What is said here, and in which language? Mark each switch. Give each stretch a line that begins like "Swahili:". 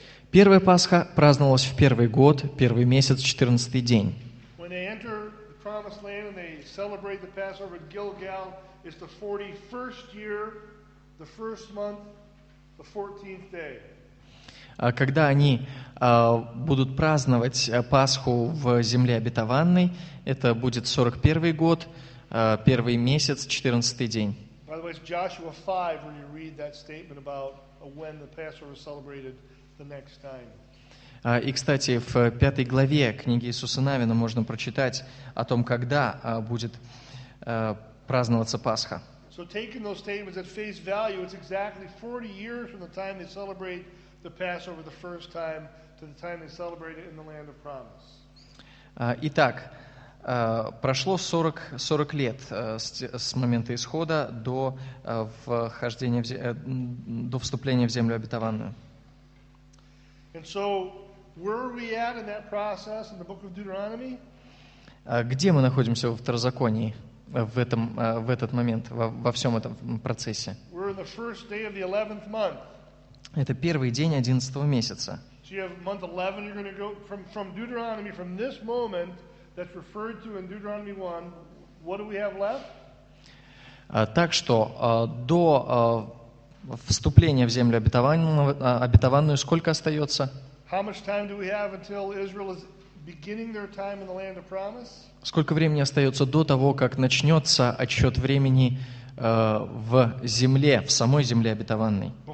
Russian: Первая Пасха праздновалась в первый год, первый месяц, 14-й день.
English: When they enter the promised land and they celebrate the Passover at Gilgal, it's the 41st year, the first month, the 14th day.
Russian: Когда они будут праздновать Пасху в земле обетованной, это будет 41-й год, первый месяц, 14-й день.
English: By the way, it's Joshua 5, where you read that statement about when the Passover was celebrated the next time.
Russian: И, кстати, в 5-й главе книги Иисуса Навина можно прочитать о том, когда будет праздноваться Пасха.
English: So taking those statements at face value, it's exactly 40 years from the time they celebrate the Passover the first time to the time they celebrate it in the land of promise.
Russian: Итак, прошло 40 лет с момента исхода до вхождения до вступления в землю обетованную.
English: And so where are we at in that process in the book of Deuteronomy?
Russian: Где мы находимся во второзаконии в этот момент во всем этом процессе?
English: We're in the first day of the 11th month.
Russian: Это первый день 11 месяца.
English: So you have month 11, you're going to go from Deuteronomy, from this moment that's referred to in Deuteronomy 1, what do we have left?
Russian: Так что до вступления в землю обетованную сколько остается?
English: How much time do we have until Israel is beginning their time in the land of promise?
Russian: Сколько времени остается до того, как начнется отсчет времени в земле, в самой земле обетованной.